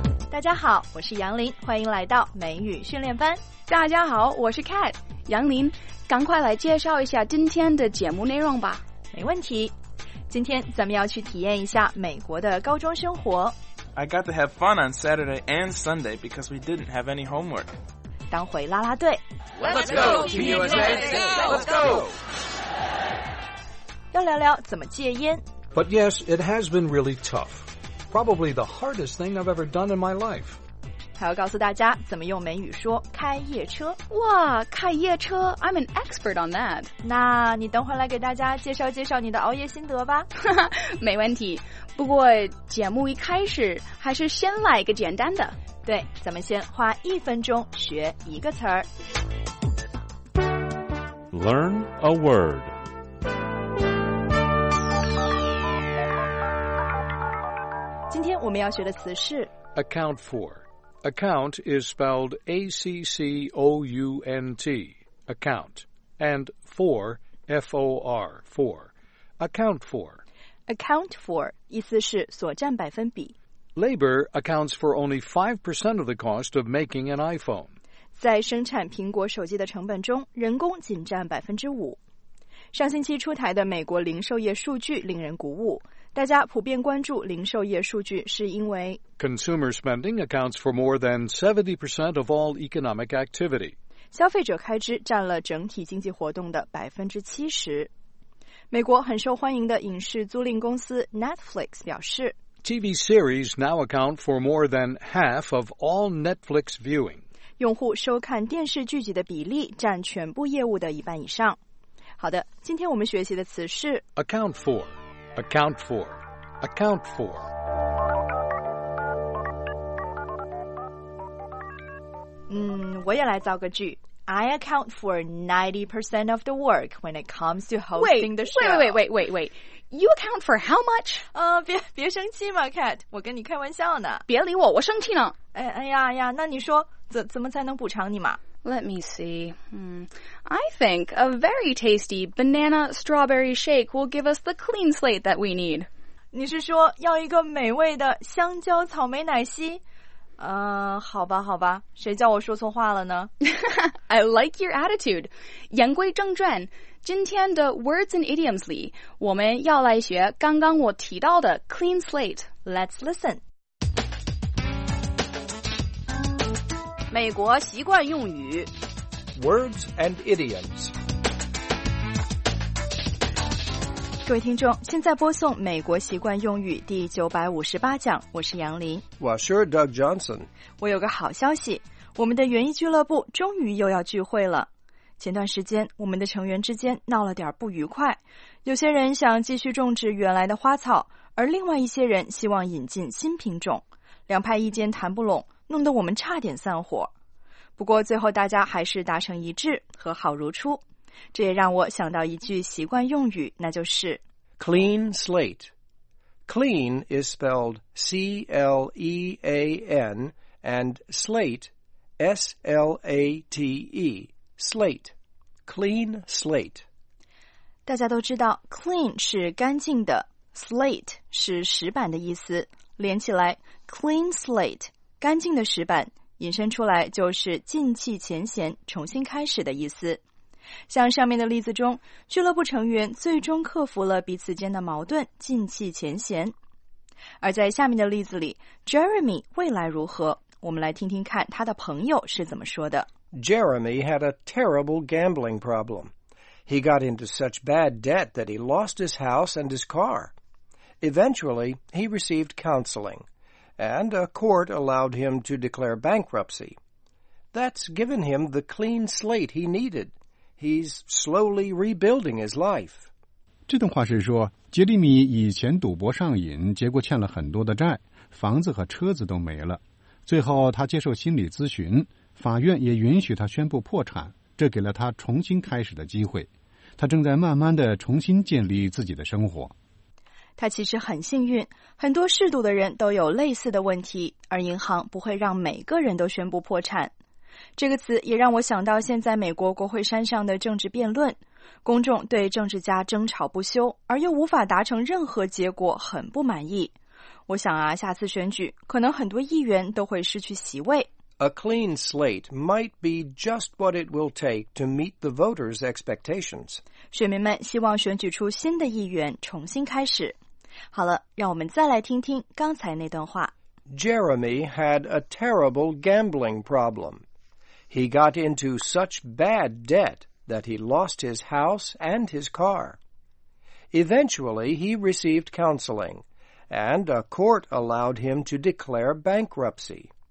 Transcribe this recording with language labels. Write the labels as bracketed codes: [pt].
[zh] 大家好，我是杨林，欢迎来到美语训练班。大家好，我是 Cat。杨林，赶快来介绍一下今天的节目内容吧。没问题，今天咱们要去体验一下美国的高中生活。 [en] I got to have fun on Saturday and Sunday because we didn't have any homework. [zh] 当回啦啦队。 [en] Let's go, Team USA, let's go! [zh] 要聊聊怎么戒烟。 [en] But yes, it has been really tough. Probably the hardest thing I've ever done in my life. [zh] 还要告诉大家怎么用美语说开夜车。哇，开夜车， [en] I'm an expert on that. [zh] 那你等会来给大家介绍介绍你的熬夜心得吧。没问题，不过节目一开始还是先来一个简单的。对，咱们先花一分钟学一个词儿。 [en] Learn a word. [zh] 今天我们要学的词是 [en] Account for。 Account is spelled A-C-C-O-U-N-T, account, and for, F-O-R, for, account for. [zh] Account for, 意思是所占百分比。 [en] Labor accounts for only 5% of the cost of making an iPhone. [zh] 在生产苹果手机的成本中，人工仅占5%。上星期出台的美国零售业数据令人鼓舞。大家普遍关注零售业数据是因为 [en] Consumer spending accounts for more than 70% of all economic activity. [zh] 消费者开支占了整体经济活动的70%。美国很受欢迎的影视租赁公司 Netflix 表示 [en] TV series now account for more than half of all Netflix viewing. [zh] 用户收看电视剧集的比例占全部业务的一半以上。好的，今天我们学习的词是 [en] Account for. Account for, account for. [zh] 我也来造个句。 [en] I account for 90% of the work when it comes to hosting the show. Wait. You account for how much? [zh] 别生气嘛 ,Cat, 我跟你开玩笑呢。别理我，我生气呢。哎呀，那你说怎么才能补偿你嘛？ [en] Let me see. I think a very tasty banana strawberry shake will give us the clean slate that we need. [zh] 你是说要一个美味的香蕉草莓奶昔？好吧，谁叫我说错话了呢？ [en] I like your attitude. [zh] 言归正传，今天的 Words and Idioms 里，我们要来学刚刚我提到的 clean slate. [en] Let's listen. [zh] 美国习惯用语 [en] Words and Idioms。 [zh] 各位听众，现在播送美国习惯用语第958讲，我是杨林。 [en] Well, sure, Doug Johnson. [zh] 我有个好消息，我们的园艺俱乐部终于又要聚会了。前段时间我们的成员之间闹了点不愉快，有些人想继续种植原来的花草，而另外一些人希望引进新品种，两派意见谈不拢，弄得我们差点散伙。不过最后大家还是达成一致，和好如初。这也让我想到一句习惯用语，那就是 [en] Clean slate. Clean is spelled C-L-E-A-N and slate S-L-A-T-E. Slate. Clean slate. [zh] 大家都知道 clean 是干净的， slate 是石板的意思，连起来 clean slate. 干净的石板引申出来就是静气前嫌，重新开始的意思。像上面的例子中，俱乐部成员最终克服了彼此间的矛盾，静气前嫌。而在下面的例子里， Jeremy 未来如何，我们来听听看他的朋友是怎么说的。 [en] Jeremy had a terrible gambling problem. He got into such bad debt that he lost his house and his car. Eventually, he received counseling. And a court allowed him to declare bankruptcy. That's given him the clean slate he needed. He's slowly rebuilding his life. [zh] 这段话是说，杰里米以前赌博上瘾，结果欠了很多的债，房子和车子都没了。最后他接受心理咨询，法院也允许他宣布破产，这给了他重新开始的机会。他正在慢慢的重新建立自己的生活。他其实很幸运，很多嗜赌的人都有类似的问题，而银行不会让每个人都宣布破产。这个词也让我想到现在美国国会山上的政治辩论，公众对政治家争吵不休，而又无法达成任何结果，很不满意。我想啊，下次选举，可能很多议员都会失去席位。 [en] A clean slate might be just what it will take to meet the voters' expectations. [zh] 选民们希望选举出新的议员，重新开始。好了，让我们再来听听刚才那段话。 [en] Jeremy had a terrible gambling problem. He got into such bad debt that he lost his house and his car. Eventually, he received counseling, and a court allowed him to declare bankruptcy.